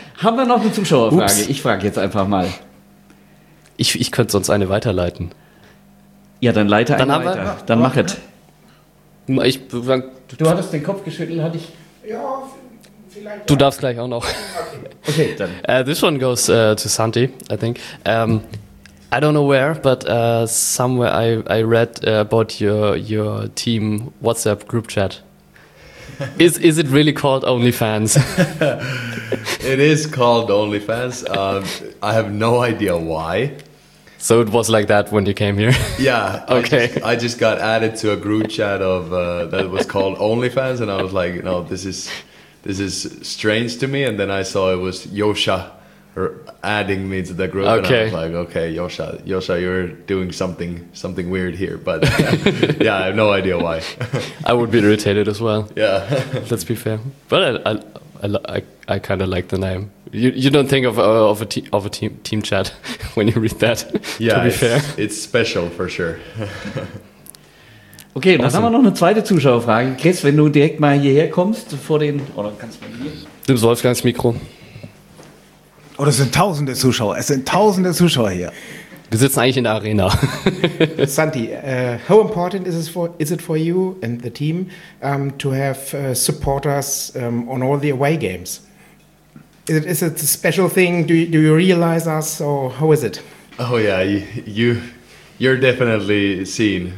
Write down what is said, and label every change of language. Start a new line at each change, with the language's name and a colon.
German: Haben wir noch eine Zuschauerfrage? Ups. Ich frage jetzt einfach mal. Ich könnte sonst eine weiterleiten. Ja, dann leite eine weiter. Dann mach es. Ich, du hattest den Kopf geschüttelt, hatte ich. Ja, vielleicht. Du ja. Darfst gleich auch noch. Okay, dann.
English: This one goes to Santi, I think. I don't know where, but somewhere I read about your team WhatsApp group chat. Is it really called OnlyFans? It is called OnlyFans. I have no idea why. So it was like that when you came here? Yeah. Okay. I just got added to a group chat of that was called OnlyFans, and I was like, no, this is strange to me. And then I saw it was Yosha adding me to the group. Okay. And I was like, okay, Yosha, you're doing something weird here. But yeah, I have no idea why. I would be irritated as well. Yeah. Let's be fair. But I kind of like the name. You don't think of a team chat when you read that. Yeah, to be fair, it's special for sure. Okay, awesome.
German: Dann haben wir noch eine zweite Zuschauerfrage. Chris, wenn du direkt mal hierher kommst vor den oder kannst du hier? Nimmst Wolfgangs Mikro. Oh, das sind tausende Zuschauer. Es sind tausende Zuschauer hier. Wir sitzen eigentlich in der Arena.
English: Santi, how important is it for you and the team to have supporters on all the away games? Is it a special thing? Do you realize us, or how is it? Oh yeah, you're definitely seen.